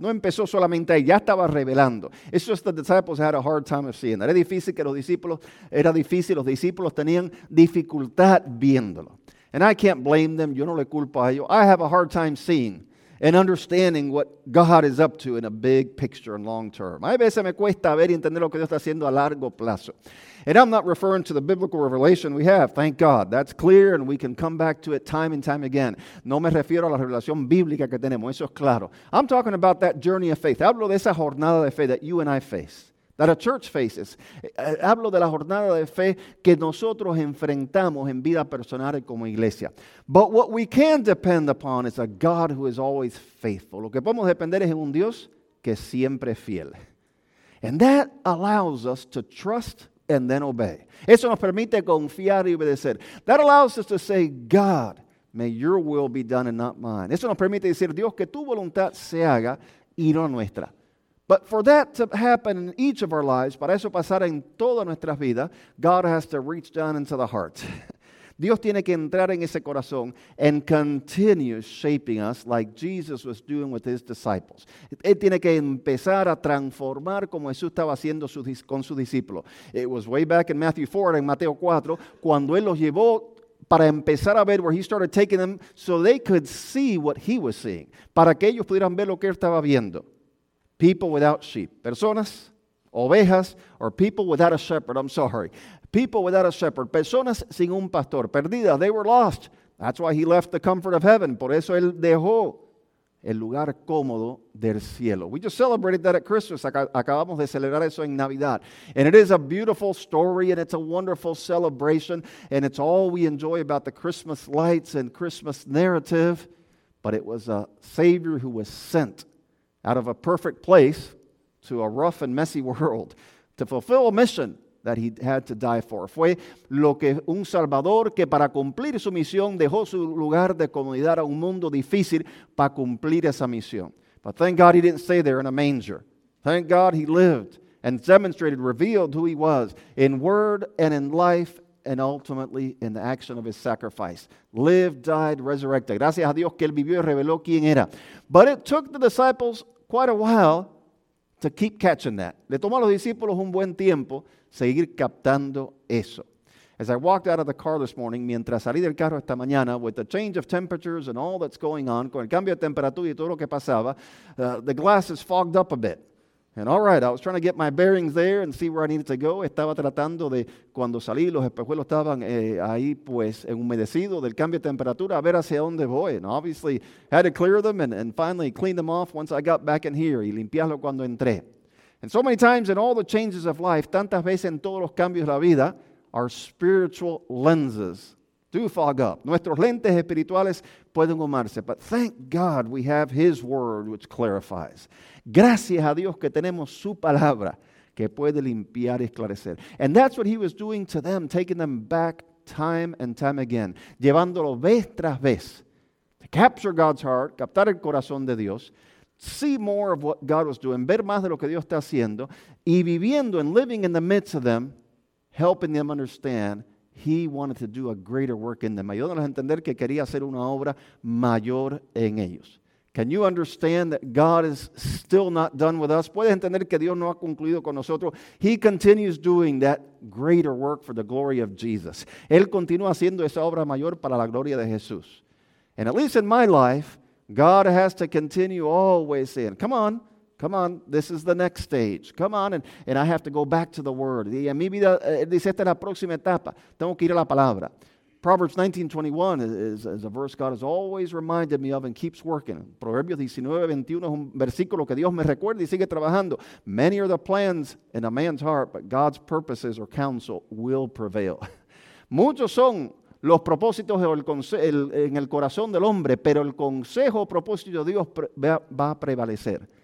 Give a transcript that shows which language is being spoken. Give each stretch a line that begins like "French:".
Spanish: No empezó solamente ahí, ya estaba revelando.
English: It's just the disciples had a hard time of seeing that.
Spanish: Era difícil, los discípulos tenían dificultad viéndolo.
English: And I can't blame them,
Spanish: yo no le culpo a ellos.
English: I have a hard time seeing and understanding what God is up to in a big picture and long term.
Spanish: A veces me cuesta ver y entender lo que Dios está haciendo a largo plazo.
English: And I'm not referring to the biblical revelation we have. Thank God. That's clear and we can come back to it time and time again.
Spanish: No me refiero a la revelación bíblica que tenemos. Eso es claro.
English: I'm talking about that journey of faith.
Spanish: Hablo de esa jornada de fe
English: that you and I face, that a church faces.
Spanish: Hablo de la jornada de fe que nosotros enfrentamos en vida personal y como iglesia.
English: But what we can depend upon is a God who is always faithful.
Spanish: Lo que podemos depender es un Dios que siempre es fiel.
English: And that allows us to trust and then obey.
Spanish: Eso nos permite confiar y obedecer.
English: That allows us to say, "God, may your will be done and not mine."
Spanish: Eso nos permite decir, "Dios, que tu voluntad se haga y no nuestra."
English: But for that to happen in each of our lives,
Spanish: para eso pasar en todas nuestras vidas,
English: God has to reach down into the heart.
Spanish: Dios tiene que entrar en ese corazón
English: and continue shaping us like Jesus was doing with his disciples.
Spanish: Él tiene que empezar a transformar como Jesús estaba haciendo con sus discípulos.
English: It was way back in Matthew 4,
Spanish: en Mateo 4, cuando él los llevó para empezar a ver,
English: where he started taking them so they could see what he was seeing.
Spanish: Para que ellos pudieran ver lo que él estaba viendo.
English: People without sheep,
Spanish: personas, ovejas,
English: or people without a shepherd, I'm sorry. People without a shepherd,
Spanish: personas sin un pastor, perdidas,
English: they were lost. That's why he left the comfort of heaven.
Spanish: Por eso él dejó el lugar cómodo del cielo.
English: We just celebrated that at Christmas.
Spanish: Acabamos de celebrar eso en Navidad.
English: And it is a beautiful story, and it's a wonderful celebration, and it's all we enjoy about the Christmas lights and Christmas narrative. But it was a Savior who was sent out of a perfect place to a rough and messy world to fulfill a mission that he had to die for.
Spanish: Fue lo que un Salvador que para cumplir su misión dejó su lugar de comodidad a un mundo difícil para cumplir esa misión.
English: But thank God he didn't stay there in a manger. Thank God he lived and demonstrated, revealed who he was in word and in life and ultimately in the action of his sacrifice. Lived, died, resurrected.
Spanish: Gracias a Dios que él vivió y reveló quién era.
English: But it took the disciples quite a while to keep catching that.
Spanish: Le tomó a los discípulos un buen tiempo seguir captando eso.
English: As I walked out of the car this morning,
Spanish: mientras salí del carro esta mañana,
English: with the change of temperatures and all that's going on,
Spanish: con el cambio de temperatura y todo lo que pasaba,
English: the glasses fogged up a bit. And all right, I was trying to get my bearings there and see where I needed to go.
Spanish: Estaba tratando de, cuando salí, los espejuelos estaban ahí, pues, enhumedecido del cambio de temperatura, a ver hacia dónde voy.
English: And obviously, had to clear them and finally clean them off once I got back in here,
Spanish: y limpiarlo cuando entré.
English: And so many times in all the changes of life,
Spanish: tantas veces en todos los cambios de la vida,
English: our spiritual lenses do fog up.
Spanish: Nuestros lentes espirituales pueden humarse.
English: But thank God we have His Word which clarifies.
Spanish: Gracias a Dios que tenemos su palabra que puede limpiar y esclarecer.
English: And that's what He was doing to them, taking them back time and time again.
Spanish: Llevándolo vez tras vez
English: to capture God's heart,
Spanish: captar el corazón de Dios,
English: see more of what God was doing,
Spanish: ver más de lo que Dios está haciendo, y viviendo
English: and living in the midst of them, helping them understand He wanted to do a greater work in them.
Spanish: Ayudándoles a entender que quería hacer una obra mayor en ellos.
English: Can you understand that God is still not done with us?
Spanish: ¿Puedes entender que Dios no ha concluido con nosotros?
English: He continues doing that greater work for the glory of Jesus.
Spanish: Él continúa haciendo esa obra mayor para la gloria de Jesús.
English: And at least in my life, God has to continue always saying, come on. Come on, this is the next stage. Come on, and I have to go back to the Word.
Spanish: Y en mi vida, dice, esta es la próxima etapa. Tengo que ir a la palabra.
English: Proverbs 19:21 is a verse God has always reminded me of and keeps working.
Spanish: Proverbios 19:21 es un versículo que Dios me recuerda y sigue trabajando.
English: Many are the plans in a man's heart, but God's purposes or counsel will prevail.
Spanish: Muchos son los propósitos en el corazón del hombre, pero el consejo o propósito de Dios va a prevalecer.